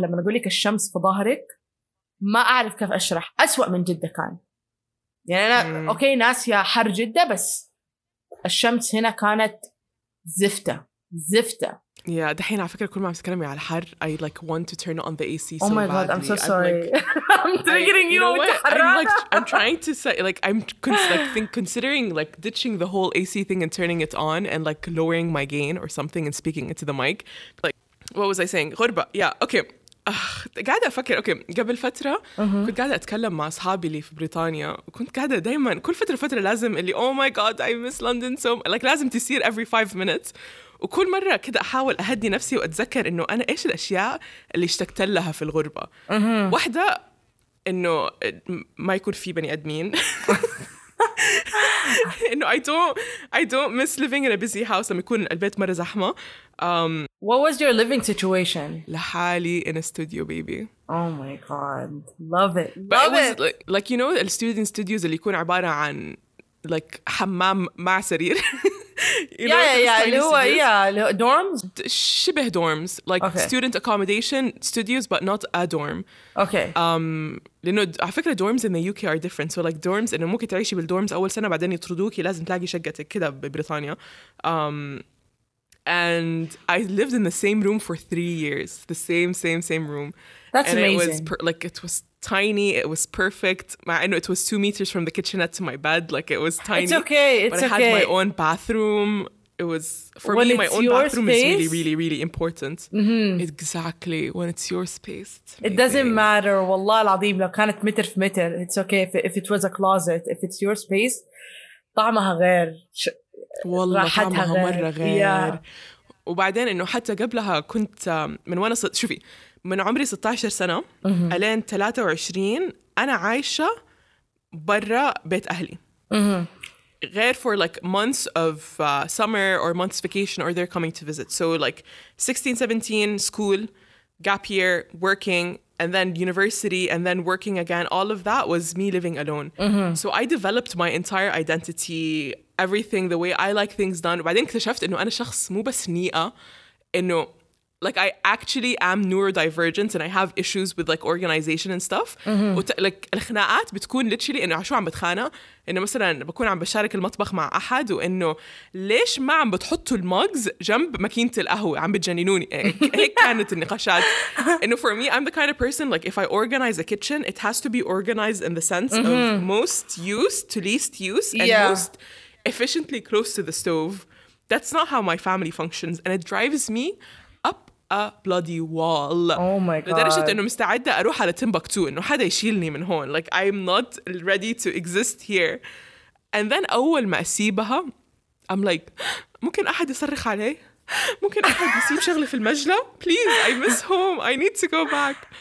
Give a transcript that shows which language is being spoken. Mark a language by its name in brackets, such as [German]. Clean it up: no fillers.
[Arabic] لما أقول لك الشمس في ظهرك ما أعرف كيف أشرح. أسوأ من جدة كان يعني أنا أوكي ناس يا حر جدة بس الشمس هنا كانت زفتة زفتة. يا دحين على فكرة كل ما عم تكلمي على الحر [English] I like want to turn on the AC. Oh my god I'm so sorry. I'm triggering you know what? I'm trying to say like I'm considering like ditching the whole AC thing and turning it on and like lowering my gain or something and speaking into the mic. Like what was I saying? غربة. Yeah. Okay. [Arabic] قاعدة أفكر أوكي قبل فترة كنت قاعدة أتكلم مع أصحابي لي في بريطانيا وكنت قاعدة دايما كل فترة فترة لازم اللي [English] oh my god I miss London so like [Arabic] لازم تصير [English] every 5 minutes [Arabic] وكل مرة كده أحاول أهدي نفسي وأتذكر إنه أنا إيش الأشياء اللي اشتقت لها في الغربة. واحدة إنه ما يكون في بني أدمين إنه [English] I don't miss living in a busy house [Arabic] لما يكون البيت مرة زحمة. [English] What was your living situation? [Arabic] لحالي [English] in a studio baby. Oh my god love it love it. Was like you know the student studios [Arabic] اللي يكون عبارة عن [English] like [Arabic] حمام مع سرير. [English] dorms [Arabic] شبه [English] dorms like okay. student accommodation studios but not a dorm. Okay. [Arabic] لأنه على فكرة [English] dorms in the UK are different [Arabic] so like dorms إنه ممكن تعيشي بالdorms أول سنة بعدين يطردوكي لازم تلاقي شقتك كده ببريطانيا. [English] And I lived in the same room for 3 years the same room. That's and amazing. It was it was tiny, it was perfect. I know it was 2 meters from the kitchenette to my bed, like it was tiny. It's okay, it's okay. But I had my own bathroom. It was, for when me, my own bathroom space? Is really, really, really important. Mm-hmm. Exactly, when it's your space. It's it doesn't matter, [Arabic] والله العظيم, لو كانت متر في متر, [English] it's okay if it was a closet. If it's your space, [Arabic] طعمها غير. والله طعمها مرة غير. وبعدين انه حتى قبلها كنت, من وانا صرت, شوفي, من عمري 16 سنة ألين 23 أنا عايشة برا بيت أهلي غير [English] for like months of summer or months vacation or they're coming to visit. So like 16, 17, school, gap year, working and then university and then working again. All of that was me living alone. So I developed my entire identity, everything, the way I like things done. [Arabic] وبعدين اكتشفت إنه أنا شخص مو بس نيئة إنه [English] like I actually am neurodivergent and I have issues with like organization and stuff. [Arabic] Like الخناقات بتكون literally إنه عشو عم بتخانق إنه مثلاً بكون عم بشارك المطبخ مع أحد وإنه ليش ما عم بتحطوا المجز جنب ماكينة القهوة عم بتجننوني هيك كانت النقاشات. [English] إنه for me I'm the kind of person like if I organize a kitchen it has to be organized in the sense of most use to least use and most efficiently close to the stove. That's not how my family functions and it drives me a bloody wall. Oh my god. [Arabic] لدرجة انه مستعدة اروح على تيمبكتو انه حدا يشيلني من هون. [English] Like I'm not ready to exist here. And then [Arabic] اول ما اسيبها [English] I'm like [Arabic] ممكن احد يصرخ علي؟ ممكن احد يسيب شغلة في المجلة؟ [English] Please I miss home. I need to go back.